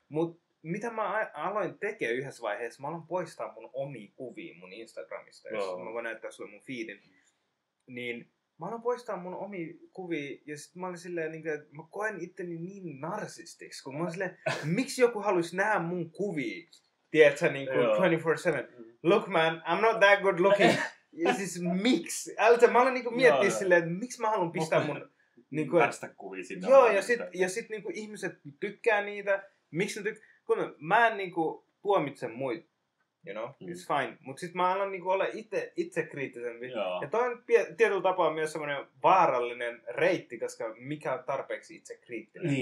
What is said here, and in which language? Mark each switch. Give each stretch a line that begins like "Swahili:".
Finnish: Mutta mitä mä aloin tekemään yhdessä vaiheessa, mä aloin poistaa mun omia kuvia mun Instagramista, jos mä voin näyttää sulle mun feedin. Niin mä aloin poistaa mun omia kuvia ja sitten mä olin silleen, niin kuin, että mä koen itteni niin narsistiksi, kun mä olin silleen, miksi joku haluaisi nähdä mun kuvia, tiedätkö, niin kuin 24/7.
English: Look man, I'm not that good looking.
Finnish: Ja siis miksi? Älä, mä aloin niinku miettiä silleen, että miksi mä haluan pistää mun niinku päästä kuvia sinne. Joo, ja sit niinku ihmiset tykkää niitä. Miksi ne tykkää? Kun mä en niinku tuomitse muit,
English: you know, it's fine.
Finnish: Mut sit mä aloin niinku olla itse kriittisempi. Ja toi on tietyllä tapaa myös semmoinen vaarallinen reitti, koska mikä on tarpeeksi itse kriittinen.